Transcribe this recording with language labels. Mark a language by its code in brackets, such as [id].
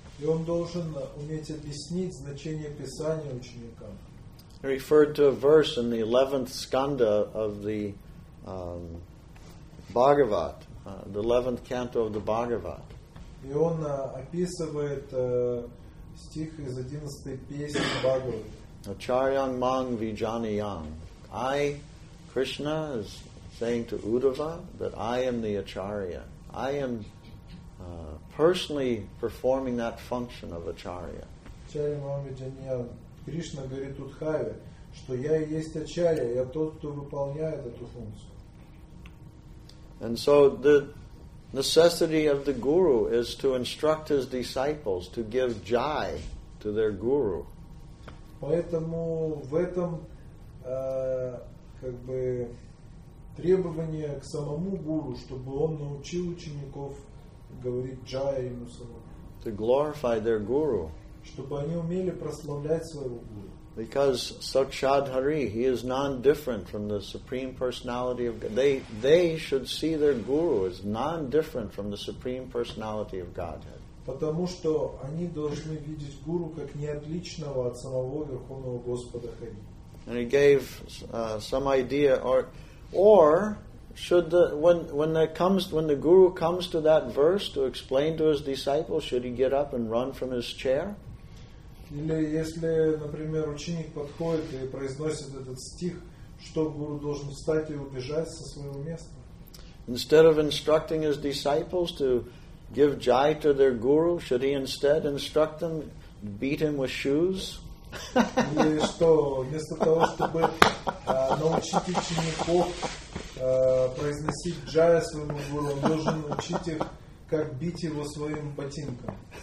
[ru] И он должен уметь объяснить значение Писания ученикам. [en] He referred to a verse in the 11th skanda of the Bhagavat, the 11th canto of the Bhagavat. [ru] И он описывает стих из 11-й песни Бхагавата. [sa] Acharyam mang vijaniyam. [en] I, Krishna, is saying to Uddhava that I am the Acharya. I am personally performing that function of Acharya. [sa] Acharyam mang vijaniyam. [ru] Krishna говорит Удхаве, что я и есть Ачарья, я тот, кто выполняет эту функцию. [en] And so the necessity of the guru is to instruct his disciples to give jai to their guru. [ru] Поэтому в этом как бы требование к самому гуру, чтобы он научил учеников говорить джая ему самому. [en] To glorify their guru. [ru] Чтобы они умели прославлять своего гуру. [en] Because Sakshadhari, he is non-different from the Supreme Personality of God. They should see their guru as non-different from the Supreme Personality of Godhead. [ru] Потому что они должны видеть гуру как неотличного от самого Верховного Господа Хари. [en] And he gave some idea, or should the when the guru comes to that verse to explain to his disciples, should he get up and run from his chair? [ru] Или если, например, ученик подходит и произносит этот стих, что гуру должен встать и убежать со своего места? [en] Instead of instructing his disciples to give jai to their guru, should he instead instruct them, beat him with shoes? [ru] Или что, вместо того, чтобы научить учеников произносить джая своему гуру, он должен научить их, как бить его своим ботинком.